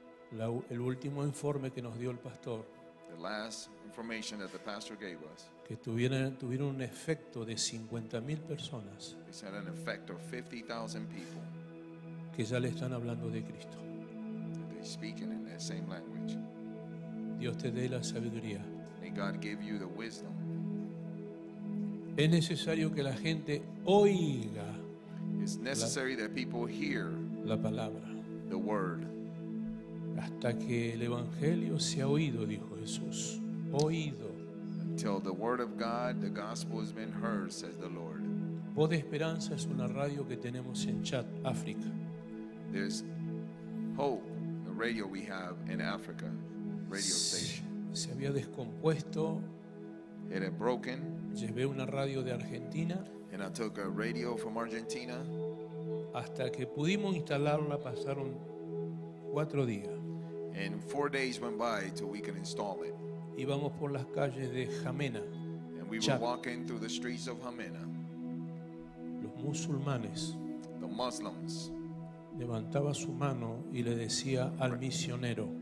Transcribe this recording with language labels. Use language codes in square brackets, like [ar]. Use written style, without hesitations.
[es] El último informe que nos dio el pastor. [en] The last information that the pastor gave us. [es] Que tuvieron un efecto de 50,000 personas. [en] It's had an effect of 50,000 people. [es] Que ya le están hablando de Cristo. [en] They're speaking in that same language. [es] Dios te dé la sabiduría. [en] May God give you the wisdom. [es] Es necesario que la gente oiga. [en] It's necessary that people hear [es] la palabra, [en] the word, [es] hasta que el evangelio sea oído, dijo Jesús, oído. [en] Until the word of God, the gospel has been heard, says the Lord. [es] Voz de Esperanza es una radio que tenemos en Chad, África. [en] There's Hope, the radio we have in Africa, radio station. [es] Se había descompuesto. [en] It had broken. [es] Llevé una radio de Argentina. [en] And I took a radio from Argentina. [es] Hasta que pudimos instalarla pasaron 4 días. [en] And 4 days went by till we could install it. [es] Íbamos por las calles de Jamena. [en] And we were walking through the streets of Jamena. [es] Los musulmanes. [en] The Muslims. [es] Levantaba su mano y le decía al misionero.